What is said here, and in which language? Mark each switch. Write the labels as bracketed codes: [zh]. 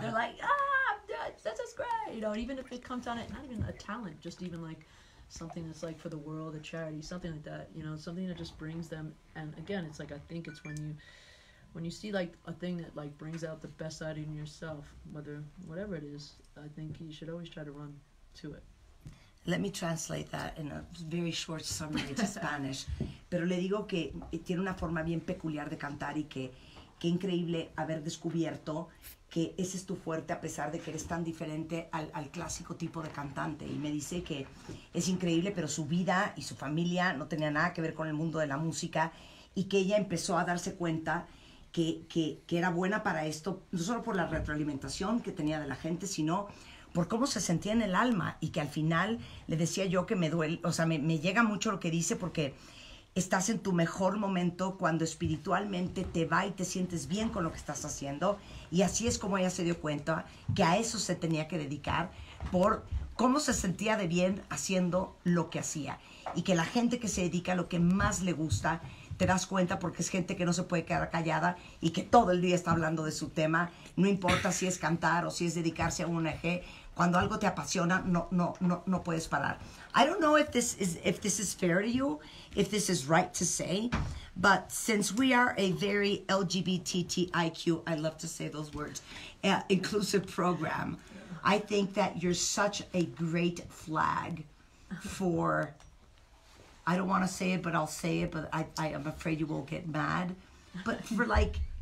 [en] They're like, that's just great, you know. And even if it comes down to not even a talent, just even like something that's like for the world, a charity, something like that, you know, something that just brings them. And again, it's like, I think it's when you see like a thing that like brings out the best side in yourself, whatever it is, I think you should always try to run to it. Let me translate that in a very short summary to Spanish. [es] Pero le digo que tiene una forma bien peculiar de cantar y que increíble haber descubierto que ese es tu fuerte a pesar de que eres tan diferente al clásico tipo de cantante. Y me dice que es increíble, pero su vida y su familia no tenían nada que ver con el mundo de la música y que ella empezó a darse cuenta que era buena para esto, no solo por la retroalimentación que tenía de la gente, sino... por cómo se sentía en el alma, y que al final le decía yo que me duele, o sea, me llega mucho lo que dice, porque estás en tu mejor momento cuando espiritualmente te va y te sientes bien con lo que estás haciendo, y así es como ella se dio cuenta que a eso se tenía que dedicar, por cómo se sentía de bien haciendo lo que hacía, y que la gente que se dedica a lo que más le gusta, te das cuenta porque es gente que no se puede quedar callada y que todo el día está hablando de su tema, no importa si es cantar o si es dedicarse a un eje, cuando algo te apasiona, no puedes parar. [en] I don't know if this is fair to you, if this is right to say, but since we are a very LGBTIQ, I love to say those words, inclusive program, I think that you're such a great flag for, I don't want to say it, but I'll say it, but I am afraid you will get mad, but for like,